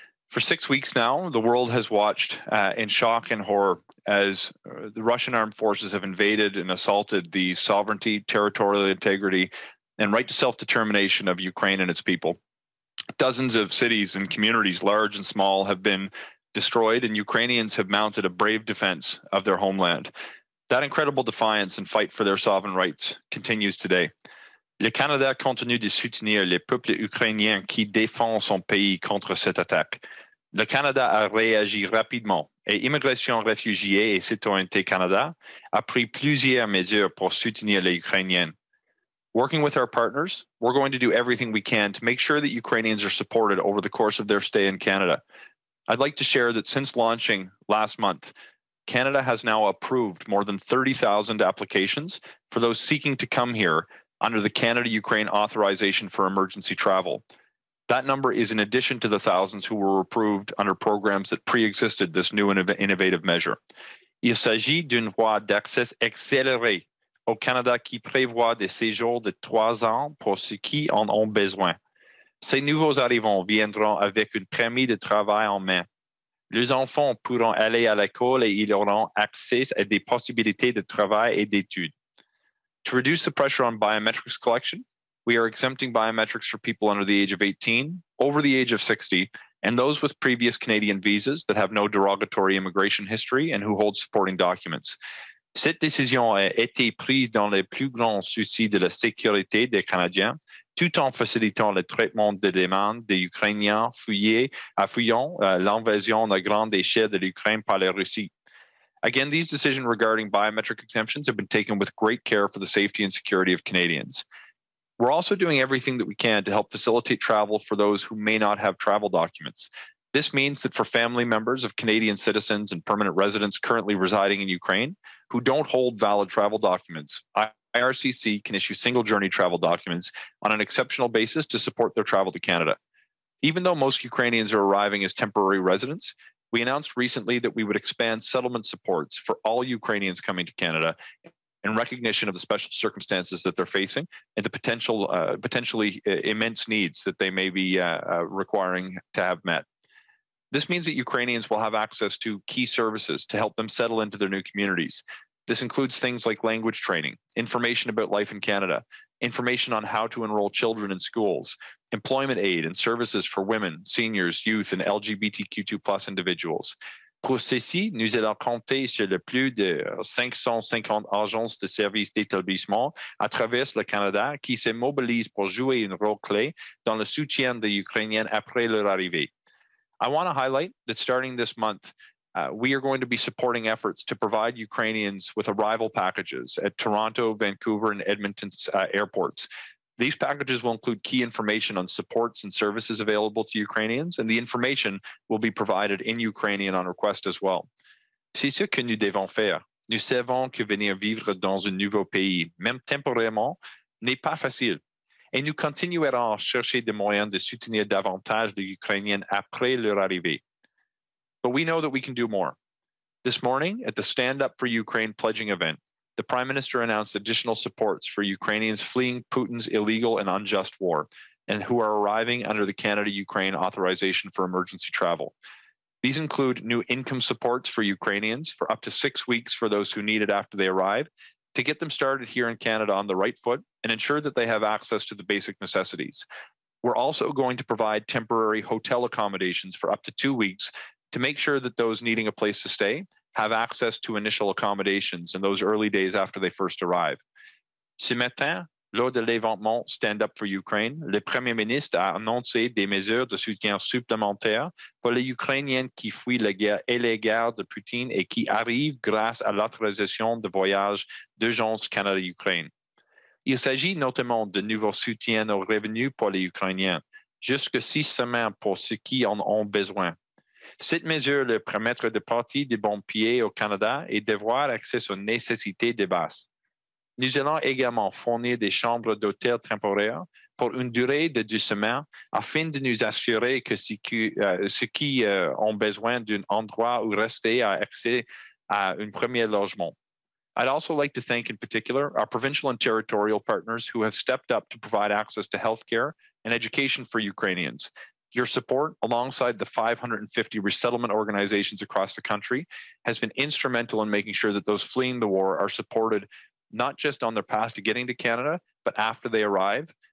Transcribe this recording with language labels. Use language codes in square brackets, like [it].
[en] For 6 weeks now, the world has watched in shock and horror as the Russian armed forces have invaded and assaulted the sovereignty, territorial integrity, and right to self-determination of Ukraine and its people. Dozens of cities and communities, large and small, have been destroyed, and Ukrainians have mounted a brave defense of their homeland. That incredible defiance and fight for their sovereign rights continues today. [fr] Le Canada continue de soutenir les peuples ukrainiens qui défendent son pays contre cette attaque. Le Canada a réagi rapidement, et Immigration, Réfugiés et Citoyenneté Canada a pris plusieurs mesures pour soutenir les Ukrainiens. [en] Working with our partners, we're going to do everything we can to make sure that Ukrainians are supported over the course of their stay in Canada. I'd like to share that since launching last month, Canada has now approved more than 30,000 applications for those seeking to come here under the Canada-Ukraine Authorization for Emergency Travel. That number is in addition to the thousands who were approved under programs that pre-existed this new and innovative measure. [fr] Il s'agit d'une voie d'accès accélérée au Canada qui prévoit des séjours de 3 ans pour ceux qui en ont besoin. Ces nouveaux arrivants viendront avec un permis de travail en main. Les enfants pourront aller à l'école et ils auront accès à des possibilités de travail et d'études. [en] To reduce the pressure on biometrics collection, we are exempting biometrics for people under the age of 18, over the age of 60, and those with previous Canadian visas that have no derogatory immigration history and who hold supporting documents. [fr] Cette décision a été prise dans le plus grand souci de la sécurité des Canadiens, tout en facilitant le traitement des demandes des Ukrainiens fuyant l'invasion à grande échelle de l'Ukraine par la Russie. [en] Again, these decisions regarding biometric exemptions have been taken with great care for the safety and security of Canadians. We're also doing everything that we can to help facilitate travel for those who may not have travel documents. This means that for family members of Canadian citizens and permanent residents currently residing in Ukraine who don't hold valid travel documents, IRCC can issue single journey travel documents on an exceptional basis to support their travel to Canada. Even though most Ukrainians are arriving as temporary residents, we announced recently that we would expand settlement supports for all Ukrainians coming to Canada in recognition of the special circumstances that they're facing and the potentially immense needs that they may be requiring to have met. This means that Ukrainians will have access to key services to help them settle into their new communities. This includes things like language training, information about life in Canada, information on how to enroll children in schools, employment aid and services for women, seniors, youth, and LGBTQ2+ individuals. [fr] Pour ceci, nous allons compter sur le plus de 550 agences de services d'établissement à travers le Canada qui se mobilisent pour jouer un rôle clé dans le soutien des Ukrainiens après leur arrivée. [en] I want to highlight that starting this month, we are going to be supporting efforts to provide Ukrainians with arrival packages at Toronto, Vancouver, and Edmonton's airports. These packages will include key information on supports and services available to Ukrainians, and the information will be provided in Ukrainian on request as well. [fr] C'est ce que nous devons faire. Nous savons que venir vivre dans un nouveau pays, même temporairement, n'est pas facile. Et nous continuerons à chercher des moyens de soutenir davantage les Ukrainiens après leur arrivée. [en] But we know that we can do more. This morning, at the Stand Up for Ukraine pledging event, the Prime Minister announced additional supports for Ukrainians fleeing Putin's illegal and unjust war and who are arriving under the Canada-Ukraine Authorization for Emergency Travel. These include new income supports for Ukrainians for up to 6 weeks for those who need it after they arrive to get them started here in Canada on the right foot and ensure that they have access to the basic necessities. We're also going to provide temporary hotel accommodations for up to 2 weeks to make sure that those needing a place to stay have access to initial accommodations in those early days after they first arrive. [fr] Ce matin, lors de l'événement Stand Up for Ukraine, le Premier ministre a annoncé des mesures de soutien supplémentaires pour les Ukrainiens qui fuient la guerre et les guerres de Poutine et qui arrivent grâce à l'autorisation de voyage d'urgence Canada-Ukraine. Il s'agit notamment de nouveaux soutiens aux revenus pour les Ukrainiens, jusqu'à 6 semaines pour ceux qui en ont besoin. Cette mesure leur permettra de partir de bon pied au Canada et d'avoir accès aux nécessités de base. Nous allons également fournir des chambres d'hôtel temporaires pour une durée de 2 semaines afin de nous assurer que ceux qui ont besoin d'un endroit où rester a accès à un premier logement. [en] I'd also like to thank in particular our provincial and territorial partners who have stepped up to provide access to healthcare and education for Ukrainians. Your support, alongside the 550 resettlement organizations across the country, has been instrumental in making sure that those fleeing the war are supported not just on their path to getting to Canada, but after they arrive.